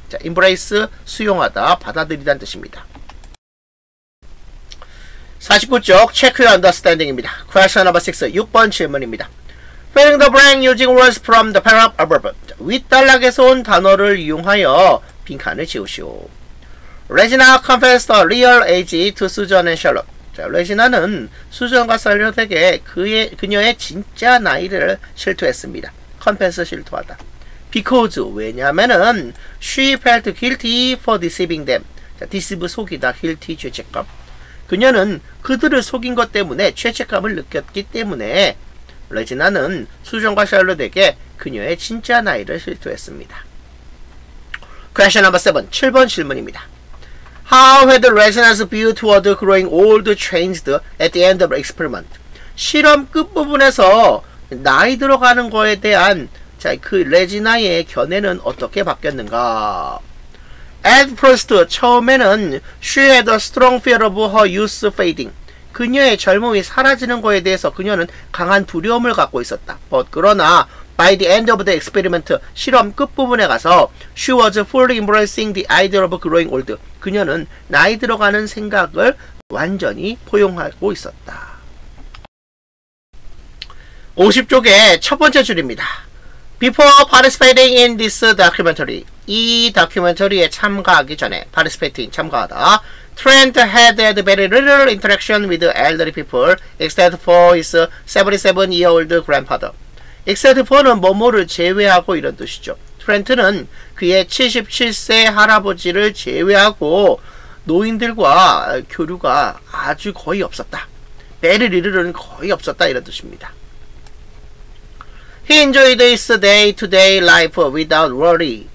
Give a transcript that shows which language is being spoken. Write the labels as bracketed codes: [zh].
[ko] 자, embrace, 수용하다, 받아들이다는 뜻입니다. 49쪽, [en] check your understanding [ko] 입니다. [en] Question number 6, [ko] 6번 질문입니다. [en] Filling the blank using words from the paragraph above. [ko] 자, 윗단락에서 온 단어를 이용하여 빈칸을 지우시오. [en] Regina confessed her real age to Susan and Charlotte. [ko] 자, 레지나는 수전과 살려되게 그녀의 진짜 나이를 실토했습니다. Confess 실토하다. [en] Because, [ko] 왜냐면은 [en] she felt guilty for deceiving them. [ko] 자, deceive 속이다. Guilty 죄책감. 그녀는 그들을 속인 것 때문에 죄책감을 느꼈기 때문에 레지나는 수전과 살려되게 그녀의 진짜 나이를 실토했습니다. [en] Question number 7. [ko] 7번 질문입니다. [en] How had Regina's view toward growing old changed at the end of the experiment? [ko] 실험 끝부분에서 나이 들어가는 거에 대한 자, 그 레지나의 견해는 어떻게 바뀌었는가? [en] At first, [ko] 처음에는 [en] she had a strong fear of her youth fading. [ko] 그녀의 젊음이 사라지는 거에 대해서 그녀는 강한 두려움을 갖고 있었다. [en] But [ko] 그러나 [en] by the end of the experiment, [ko] 실험 끝부분에 가서 [en] she was fully embracing the idea of growing old. [ko] 그녀는 나이 들어가는 생각을 완전히 포용하고 있었다. 50쪽의 첫 번째 줄입니다. [en] Before participating in this documentary, [ko] 이 다큐멘터리에 참가하기 전에, [en] participating, [ko] 참가하다, [en] Trent had had very little interaction with elderly people except for his 77-year-old grandfather. [ko] Except for는 뭐뭐를 제외하고 이런 뜻이죠. 트렌트는 그의 77세 할아버지를 제외하고 노인들과 교류가 아주 거의 없었다. 베리리르는 거의 없었다 이런 뜻입니다. [en] He enjoyed his day-to-day life without worry.